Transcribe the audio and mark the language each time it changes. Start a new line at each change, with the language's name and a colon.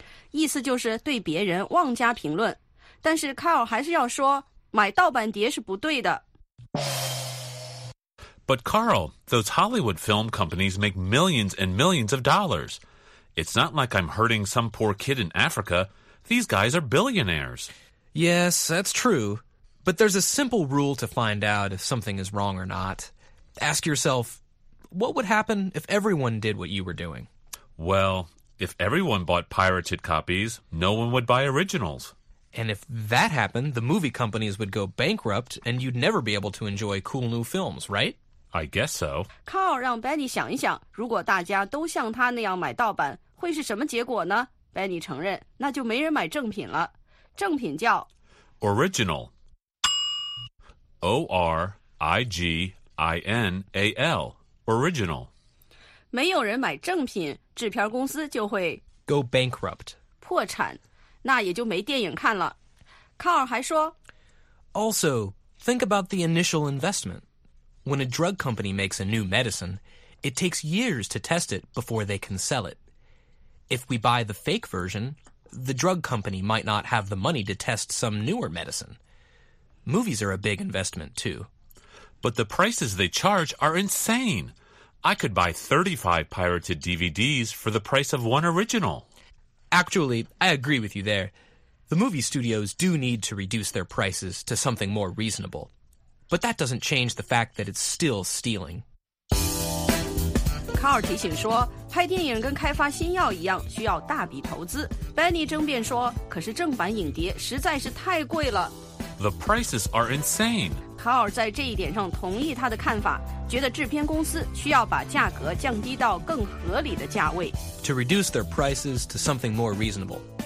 Chinese: 意思就是对别人妄加评论，但是卡尔还是要说买盗版碟是不对的。
English: But Carl, those Hollywood film companies make millions and millions of dollars. It's not like I'm hurting some poor kid in Africa. These guys are billionaires. Yes, that's true. But there's a simple rule to find out if something is wrong or not. Ask yourself, what would happen if everyone did what you were doing? Well, if everyone bought pirated copies, no one would buy originals. And if that happened, the movie companies would go bankrupt and you'd never be able to enjoy cool new films, right? I guess so.
Chinese: Carl 让 Benny 想一想，如果大家都像他那样买盗版，会是什么结果呢？ Benny 承认，那就没人买正品了。正品叫
English: Original. O-R-I-G-I-N-A-L. Original.
Chinese: 没有人买正品，制片公司就会
English: Go bankrupt.
Chinese: 破产，那也就没电影看了。 Carl 还说
English: Also, think about the initial investment. When a drug company makes a new medicine, it takes years to test it before they can sell it. If we buy the fake version, the drug company might not have the money to test some newer medicine. Movies are a big investment, too. But the prices they charge are insane. I could buy 35 pirated DVDs for the price of one original. Actually, I agree with you there. The movie studios do need to reduce their prices to something more reasonable. But that doesn't change the fact that it's still stealing.
Chinese: Carl 提醒说，拍电影跟开发新药一样，需要大笔投资。 Benny 争辩说，可是正版影碟实在是太贵了。
English: The prices are insane.
Chinese: Carl 在这一点上同意他的看法，觉得制片公司需要把价格降低到更合理的价位。
English: To reduce their prices to something more reasonable.